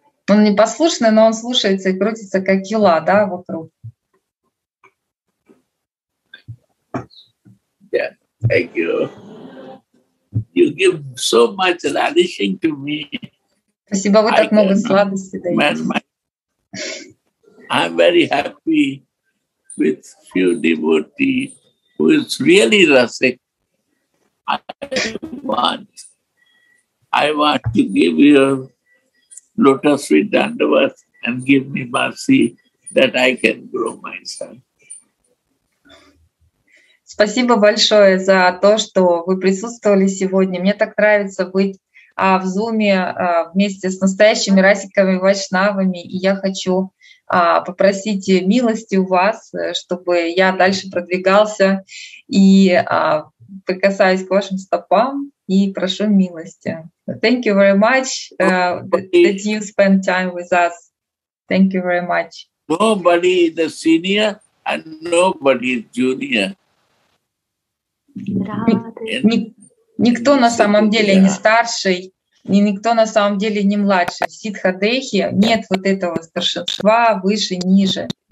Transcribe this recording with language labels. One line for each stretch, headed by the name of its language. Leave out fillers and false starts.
Russian: Он непослушный, но он слушается и крутится как кила, да, вокруг.
English: Yeah, thank you. You give so much relishing to me.
Russian: Спасибо, вы так много сладости даете.
English: I'm very happy with few devotees who is really rasic. I want to give you lotus feet dandavat and give me mercy that I can grow myself.
Russian: Спасибо большое за то, что вы присутствовали сегодня. Мне так нравится быть в Зуме вместе с настоящими расиками и вайшнавами. И я хочу попросить милости у вас, чтобы я дальше продвигался и прикасаюсь к вашим стопам и прошу милости.
English: Thank you very much that you spend time with us. Thank you very much. Nobody is the senior and nobody is junior.
Russian: Никто на самом деле не старший, ни никто на самом деле не младший. В ситха-дэхи нет вот этого старшинства выше, ниже.